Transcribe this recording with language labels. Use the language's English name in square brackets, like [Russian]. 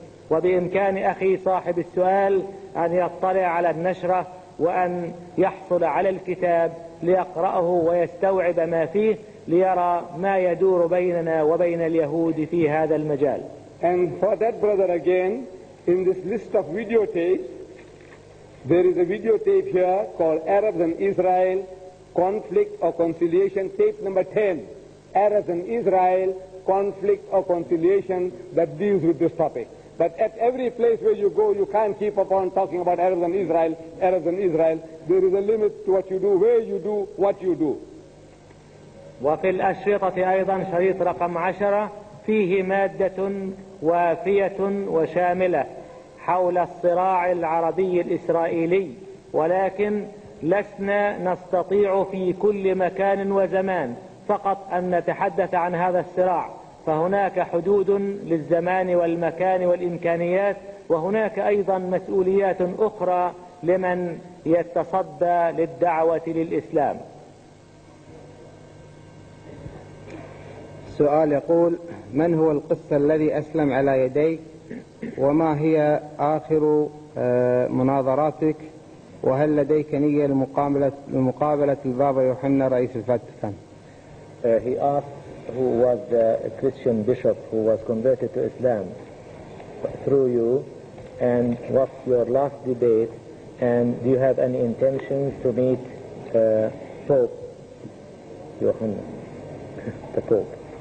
[Arabic] 1982، وبإمكان أخي صاحب السؤال أن يطلع على النشرة وأن يحصل على الكتاب ليقرأه ويستوعب ما فيه ليرى ما يدور بيننا وبين اليهود في هذا المجال. [English] And for that brother again, in this list of videotapes, there is a videotape here called Arabs and Israel, Conflict or Conciliation, tape number 10. Arabs and Israel, Conflict or Conciliation, that deals with this topic. But at every place where you go, you can't keep upon talking about Arabs and Israel, Arabs and Israel. There is a limit to what you do, where you do, what you do. [Arabic] وفي الأشرطة أيضا شريط رقم 10 فيه مادة وافية وشاملة حول الصراع العربي الإسرائيلي، ولكن لسنا نستطيع في كل مكان وزمان فقط أن نتحدث عن هذا الصراع، فهناك حدود للزمان والمكان والإمكانيات، وهناك أيضا مسؤوليات أخرى لمن يتصدى للدعوة للإسلام. السؤال يقول: من هو القس الذي أسلم على يديك، وما هي آخر مناظراتك، وهل لديك نية لمقابلة البابا يوحنا رئيس الفاتيكان؟ [English] Who was the Christian bishop who was converted to Islam through you, and what's your last debate, and do you have any intentions to meet Pope Yohanna, the Pope?